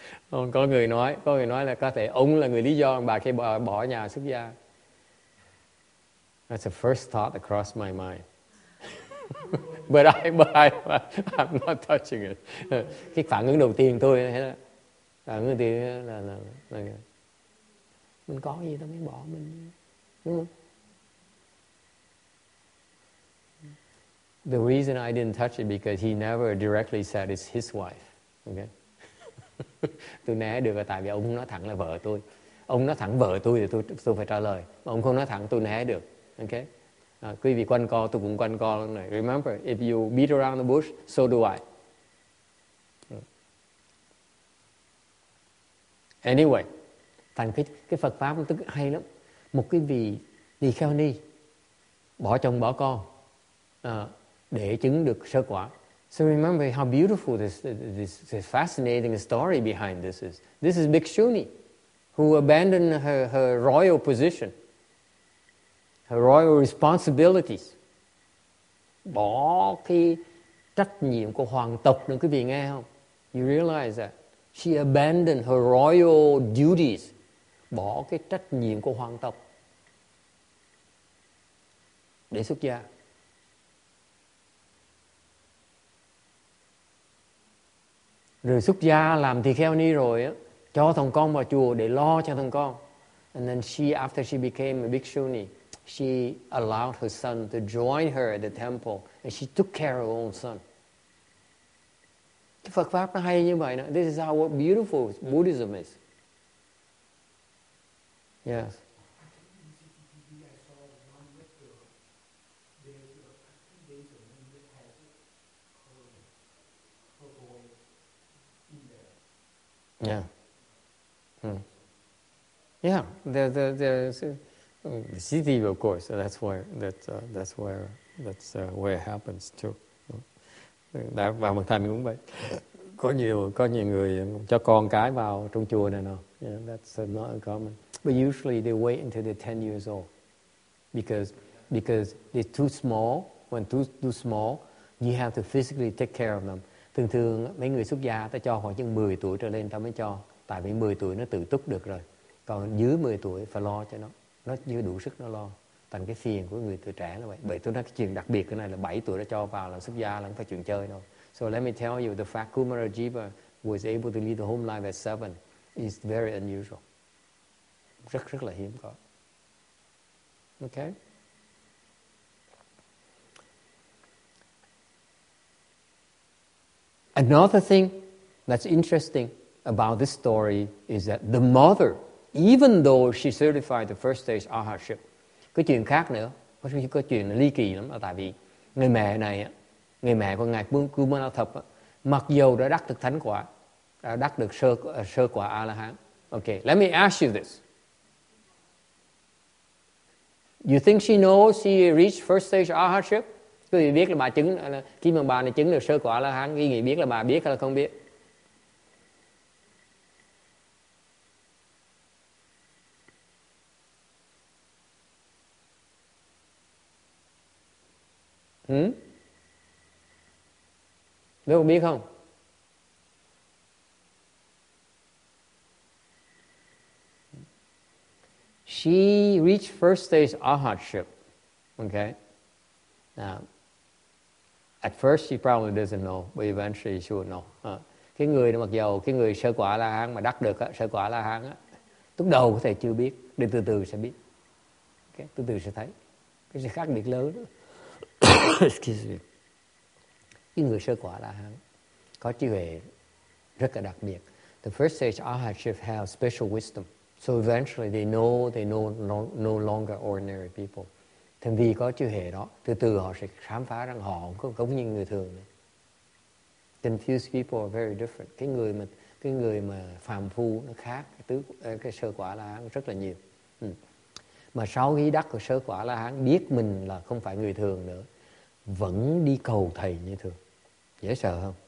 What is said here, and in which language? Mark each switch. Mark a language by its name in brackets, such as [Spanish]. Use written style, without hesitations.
[Vietnamese] Còn có người nói là có thể ông là người lý do bà khi bỏ nhà xuất gia. [English] That's the first thought that crossed my mind. But I'm not touching it. [Vietnamese] Cái phản ứng đầu tiên tôi thế đó. Phản ứng đầu tiên là mình có gì tao mới bỏ mình. Đúng không? [English] The reason I didn't touch it because he never directly said it's his wife. Okay? [Vietnamese] Tôi né được là tại vì ông nói thẳng là vợ tôi. Ông nói thẳng vợ tôi thì tôi phải trả lời. Mà ông không nói thẳng tôi né được. Ok. Quý vị quanh co, tôi cũng quanh co lần này. [English] Remember, if you beat around the bush, so do I. Anyway, [Vietnamese] thành cái Phật pháp tức hay lắm. Một cái vị tỳ kheo ni bỏ chồng bỏ con để chứng được sơ quả. [English] So remember how beautiful this fascinating story behind this is. This is Bhikshuni, who abandoned her royal position, her royal responsibilities. [Vietnamese] Bỏ cái trách nhiệm của hoàng tộc nữa, quý vị nghe không? [English] You realize that? She abandoned her royal duties. [Vietnamese] Bỏ cái trách nhiệm của hoàng tộc để xuất gia. Rồi xuất gia làm tỳ kheo ni rồi á, cho thằng con vào chùa để lo cho thằng con. [English] And then she, after she became a bhikshuni, she allowed her son to join her at the temple and she took care of her own son. [Vietnamese] Cái Phật pháp nó hay như vậy đó. [English] This is how beautiful Buddhism is. Yes. Yeah. Hmm. Yeah. The CTV, of course. That's where it happens too. [Vietnamese] Đã vào một thành cũng vậy. Có nhiều người cho con cái vào trong chùa này nọ. [English] Yeah, that's not uncommon. But usually they wait until they're 10 years old, because they're too small. When too small, you have to physically take care of them. [Vietnamese] Thường thường mấy người xuất gia ta cho khoảng chừng 10 tuổi trở lên ta mới cho. Tại vì 10 tuổi nó tự túc được rồi. Còn dưới 10 tuổi phải lo cho nó. Nó chưa đủ sức nó lo. Thành cái phiền của người tuổi trẻ là vậy. Bởi tôi nói cái chuyện đặc biệt cái này là 7 tuổi đã cho vào là xuất gia là không phải chuyện chơi đâu. [English] So let me tell you, the fact Kumara Jiva was able to lead the home life at 7 is very unusual. [Vietnamese] Rất rất là hiếm có. [English] Okay. Another thing that's interesting about this story is that the mother, even though she certified the first stage arhatship, [Vietnamese] cái chuyện khác nữa, có chuyện ly kỳ lắm, là tại vì người mẹ này, người mẹ của ngài Kumara Thập, mặc dù đã đắc được thánh quả, đã đắc được sơ quả A-la-hán. [English] Okay, let me ask you this: you think she knows she reached first stage arhatship? [Vietnamese] Quý vị biết là bà chứng, khi mà bà này chứng được sơ quả A-la-hán, quý vị biết là bà biết hay là không biết? Đâu có biết không? [English] She reached first stage arhatship. Okay. Now, at first she probably doesn't know, but eventually she will know. [Vietnamese] Cái người đó mặc dầu cái người sơ quả la hán mà đắc được á, sơ quả la hán á, lúc đầu có thể chưa biết, đi từ từ sẽ biết. Okay, từ từ sẽ thấy. Cái sự khác biệt lớn. [English] Excuse me. [Vietnamese] Cái người sơ quả la hán có trí huệ rất là đặc biệt. [English] The first stage arhatship have special wisdom. So eventually they know no longer ordinary people. [Vietnamese] Thành vì có chư hệ đó, từ từ họ sẽ khám phá rằng họ không giống như người thường. [English] Confused people are very different. [Vietnamese] Cái người mà phàm phu nó khác cái sơ quả la hán rất là nhiều. Mà sau khi đắc của sơ quả la hán biết mình là không phải người thường nữa, vẫn đi cầu thầy như thường. Dễ sợ không?